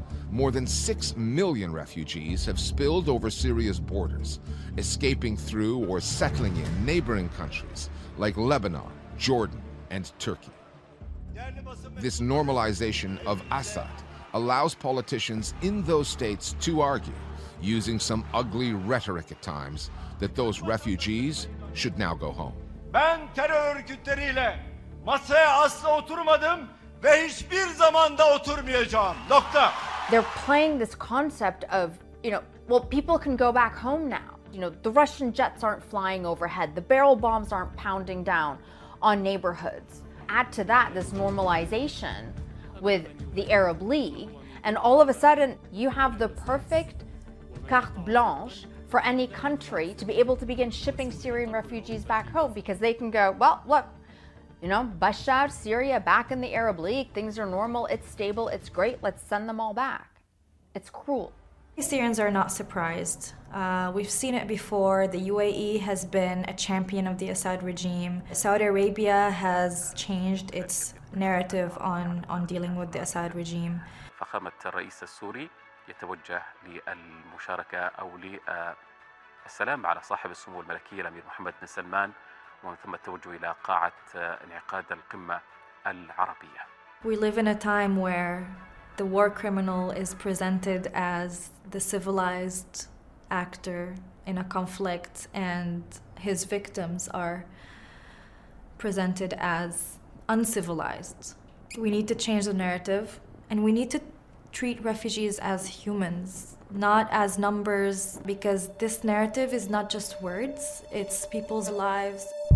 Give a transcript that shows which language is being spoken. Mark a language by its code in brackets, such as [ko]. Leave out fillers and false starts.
[en] More than 6 million refugees have spilled over Syria's borders, escaping through or settling in neighboring countries like Lebanon, Jordan, and Turkey. This normalization of Assad allows politicians in those states to argue, using some ugly rhetoric at times, that those refugees should now go home. [tr] Ben terör örgütleriyle masaya asla oturmadım ve hiçbir zaman da oturmayacağım. Nokta. [en] They're playing this concept of, you know, well, people can go back home now. You know, the Russian jets aren't flying overhead, the barrel bombs aren't pounding down on neighborhoods. Add to that this normalization with the Arab League, and all of a sudden you have the perfect carte blanche for any country to be able to begin shipping Syrian refugees back home, because they can go, well, look, you know, Bashar, Syria, back in the Arab League, things are normal, it's stable, it's great, let's send them all back. It's cruel. Syrians are not surprised. We've seen it before. The UAE has been a champion of the Assad regime. Saudi Arabia has changed its narrative on dealing with the Assad regime. [ar] فخامة الرئيس السوري يتوجه للمشاركة أو للسلام على صاحب السمو الملكي الأمير محمد بن سلمان ومن ثم التوجه إلى قاعة انعقاد القمة العربية. [en] We live in a time where the war criminal is presented as the civilized actor in a conflict, and his victims are presented as uncivilized. We need to change the narrative, and we need to treat refugees as humans, not as numbers, because this narrative is not just words, it's people's lives.